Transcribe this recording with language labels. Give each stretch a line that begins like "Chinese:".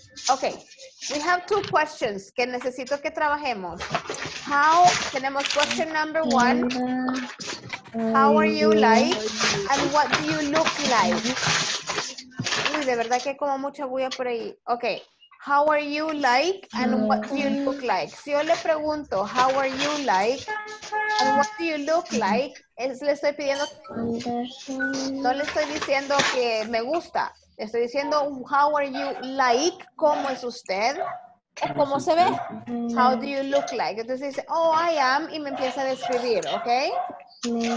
English: Okay, we have two questions
Spanish: que necesito que trabajemos.
English: How,
Spanish: tenemos
English: question number one. How are you like? And what do you look like?
Spanish: Uy, de verdad que como mucha bulla por ahí.
English: Okay. How are you like and what do you look like?
Spanish: Si yo le pregunto,
English: how are you like and what do you look like?
Spanish: Es, le estoy pidiendo, no le estoy diciendo que me gusta. Le estoy diciendo,
English: how are you like,
Spanish: ¿cómo es usted? ¿Cómo se ve?
English: How do you look like?
Spanish: Entonces dice,
English: oh, I am,
Spanish: y me empieza a describir,
English: ¿ok?